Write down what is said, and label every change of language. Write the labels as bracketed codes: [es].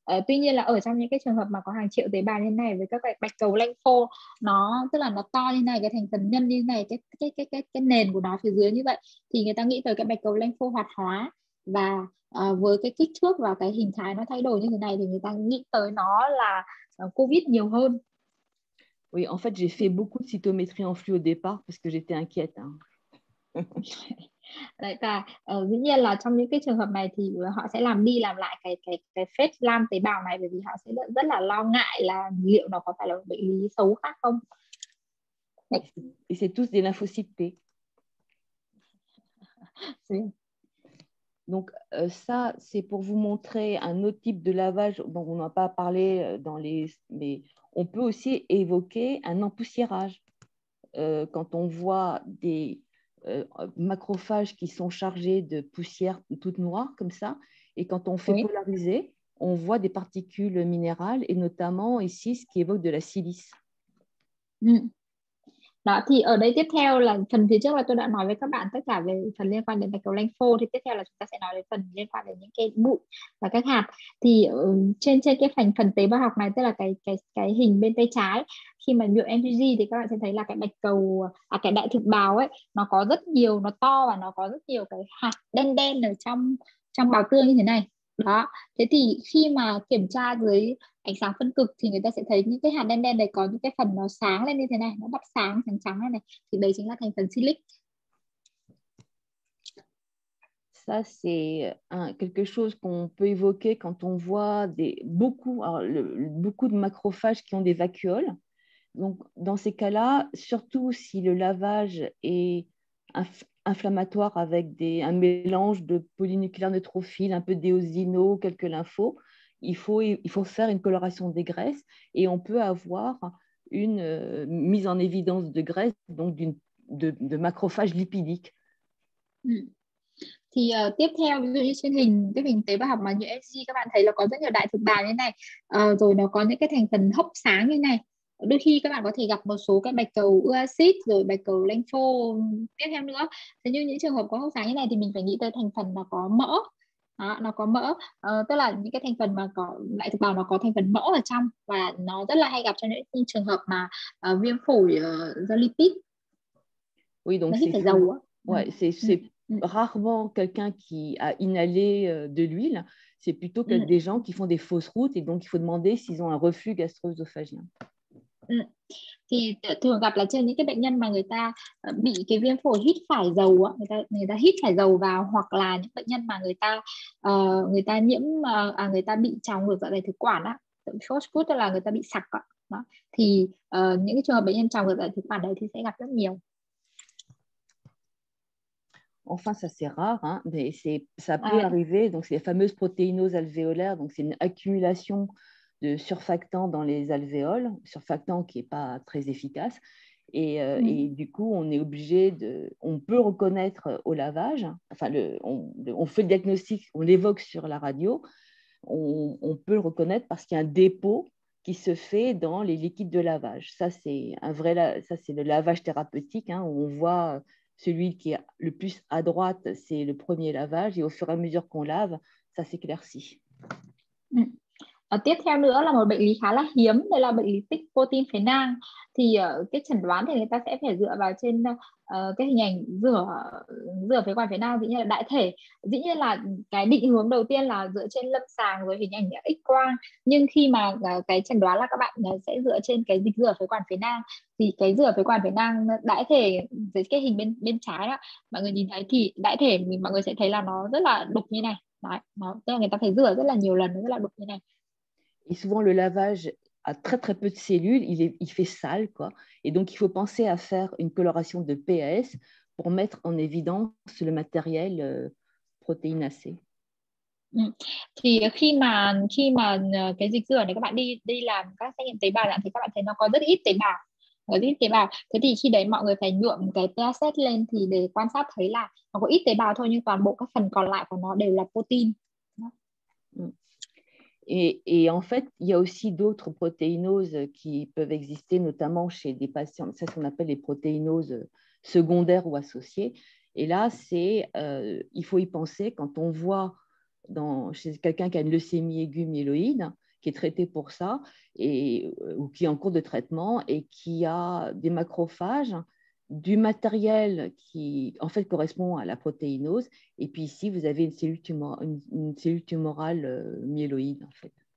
[vi] Tuy nhiên là ở trong những cái trường hợp mà có hàng triệu tế bào như này với các bạch cầu lympho nó tức là nó to như này, cái thành phần nhân như này, cái nền của nó phía dưới như vậy, thì người ta nghĩ tới cái bạch cầu lympho hoạt hóa. Và với cái kích thước và cái hình thái nó thay đổi như thế này thì người ta nghĩ tới nó là COVID nhiều hơn. [fr] Oui, en fait, j'ai fait beaucoup de cytométrie en flux au départ parce que j'étais inquiète. Hein. [vi] Đấy, và dĩ nhiên là trong những cái trường hợp này thì họ sẽ làm đi làm lại cái phết lam tế bào này bởi vì họ sẽ rất là lo ngại là liệu nó có phải là bệnh lý xấu khác không. Đấy. [fr] Et c'est tous des lymphocytes T. Donc ça, c'est pour vous montrer un autre type de lavage dont on n'a pas parlé dans les... Mais on peut aussi évoquer un empoussiérage. Quand on voit des macrophages qui sont chargés de poussière toute noire, comme ça, et quand on fait oui. polariser, on voit des particules minérales, et notamment ici, ce qui évoque de la silice. Oui. [vi] Đó, thì ở đây tiếp theo là phần phía trước là tôi đã nói với các bạn tất cả về phần liên quan đến bạch cầu lympho, thì tiếp theo là chúng ta sẽ nói về phần liên quan đến những cái bụi và các hạt. Thì trên cái phần tế bào học này, tức là cái hình bên tay trái, khi mà nhuộm MGG thì các bạn sẽ thấy là cái bạch cầu, à cái đại thực bào ấy, nó có rất nhiều, nó to và nó có rất nhiều cái hạt đen đen ở trong bào tương như thế này. Đó, thế thì khi mà kiểm tra dưới ánh sáng phân cực thì người ta sẽ thấy những cái hạt đen đen này có những cái phần nó sáng lên như thế này, nó bắt sáng trắng trắng này, thì đấy chính là thành phần silic. [fr] Ça c'est quelque chose qu'on peut évoquer quand on voit beaucoup de macrophages qui ont des vacuoles. Donc dans ces cas-là, surtout si le lavage est inflammatoire avec un mélange de polynucléaires neutrophiles, un peu d'éosino, quelques lymphos, il faut faire une coloration des graisses et on peut avoir une mise en évidence de graisse, donc de macrophages lipidiques. [vi] Thì tiếp theo, ví dụ như trên hình, cái hình tế bào học mà như FG, các bạn thấy là có rất nhiều đại thực bào như này, rồi nó có những cái thành phần hốc sáng như này. Đôi khi các bạn có thể gặp một số các bạch cầu uracil rồi bạch cầu lympho tiếp theo nữa. Thế nhưng những trường hợp có hốc sáng như này thì mình phải nghĩ tới thành phần mà có mỡ. Đó, nó có mỡ, tức là những cái thành phần mà có đại thực bào nó có thành phần mỡ ở trong và nó rất là hay gặp trong những trường hợp mà viêm phổi do lipid. [fr] Oui, donc c'est [vi] dầu. [fr] Ouais, c'est rarement quelqu'un qui a inhalé de l'huile, c'est plutôt que des gens qui font des fausses routes et donc il faut demander s'ils ont un reflux gastro-œsophagien. [vi] Thì thường gặp là trên những cái bệnh nhân mà người ta bị cái viêm phổi hít phải dầu á, người ta hít phải dầu vào, hoặc là những bệnh nhân mà người ta bị trào ngược dạ dày thực quản á, short put là người ta bị sặc á, đó. Thì những trường hợp bệnh nhân trào ngược dạ dày thực quản đấy thì sẽ gặp rất nhiều. [fr] Enfin, ça c'est rare, hein, mais ça peut arriver. Donc c'est les fameuses protéinoses alvéolaires, donc c'est une accumulation de surfactants dans les alvéoles, surfactant qui n'est pas très efficace. Et, et du coup, on est obligé de... On peut reconnaître au lavage, enfin, on fait le diagnostic, on l'évoque sur la radio, on peut le reconnaître parce qu'il y a un dépôt qui se fait dans les liquides de lavage. Ça, c'est un vrai... Ça, c'est le lavage thérapeutique, hein, où on voit celui qui est le plus à droite, c'est le premier lavage, et au fur et à mesure qu'on lave, ça s'éclaircit. [vi] Tiếp theo nữa là một bệnh lý khá là hiếm, đây là bệnh lý tích protein phế nang. Thì cái chẩn đoán thì người ta sẽ phải dựa vào trên cái hình ảnh rửa phế quản phế nang, dĩ nhiên là đại thể. Dĩ nhiên là cái định hướng đầu tiên là dựa trên lâm sàng với hình ảnh X-quang, nhưng khi mà cái chẩn đoán là các bạn sẽ dựa trên cái dịch rửa phế quản phế nang, thì cái rửa phế quản phế nang đại thể với cái hình bên bên trái đó, mọi người nhìn thấy thì đại thể mình mọi người sẽ thấy là nó rất là đục như này. Đấy, nó tức là người ta phải rửa rất là nhiều lần, nó rất là đục như này. [fr] Et souvent, le lavage a très très peu de cellules, il fait sale, quoi. Et donc, il faut penser à faire une coloration de PS pour mettre en évidence le matériel protéinacé. [vi] Thì khi mà cái dịch rửa này các bạn đi đi làm các xét nghiệm tế bào thì các bạn thấy nó có rất ít tế bào, thế thì khi đấy mọi người phải nhuộm cái pH lên thì để quan sát thấy là nó có ít tế bào thôi, nhưng toàn bộ các phần còn lại của nó đều là protein. [fr] Et en fait, il y a aussi d'autres protéinoses qui peuvent exister, notamment chez des patients. C'est ce qu'on appelle les protéinoses secondaires ou associées. Et là, il faut y penser quand on voit chez quelqu'un qui a une leucémie aiguë myéloïde, qui est traité pour ça, ou qui est en cours de traitement, et qui a des macrophages, du matériel qui en fait correspond à la protéinose, et puis ici vous avez une cellule tumorale myéloïde en fait.